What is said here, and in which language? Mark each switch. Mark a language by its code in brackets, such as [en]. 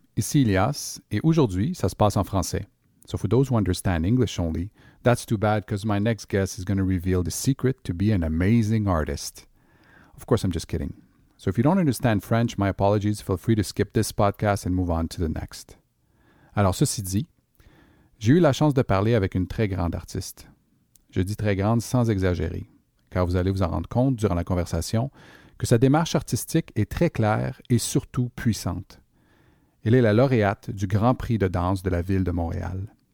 [fr] Ici Elias, et aujourd'hui, ça se passe en français. [en] So for those who understand English only, that's too bad because my next guest is going to reveal the secret to be an amazing artist. Of course, I'm just kidding. So if you don't understand French, my apologies, feel free to skip this podcast and move on to the next. [fr] Alors ceci dit, j'ai eu la chance de parler avec une très grande artiste. Je dis très grande sans exagérer, car vous allez vous en rendre compte durant la conversation que sa démarche artistique est très claire et surtout puissante. Elle est la lauréate du Grand Prix de danse de la ville de Montréal.